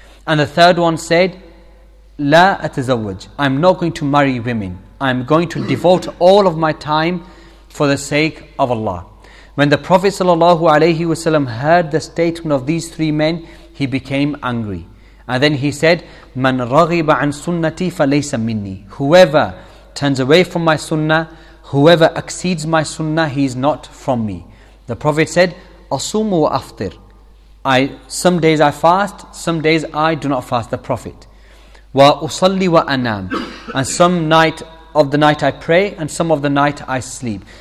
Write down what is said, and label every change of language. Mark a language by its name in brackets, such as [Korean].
[English] And the third one said, [Arabic] لَا أَتَزَوَّجْ. [English] I'm not going to marry women. I'm going to devote all of my time for the sake of Allah. When the Prophet sallallahu alayhi wasallam heard the statement of these three men, he became angry. And then he said, [Arabic] مَنْ رَغِبَ عَنْ سُنَّتِي فَلَيْسَ مِنِّي. [English] Whoever turns away from my sunnah, whoever exceeds my sunnah, he is not from me. The Prophet said, [Arabic] أَصُومُ وَأَفْطِرْ. [English] Some days I fast, some days I do not fast, the Prophet. [Arabic] وَأُصَلِّي وَأَنَامْ. [English] And some night of the night I pray, and some of the night I sleep.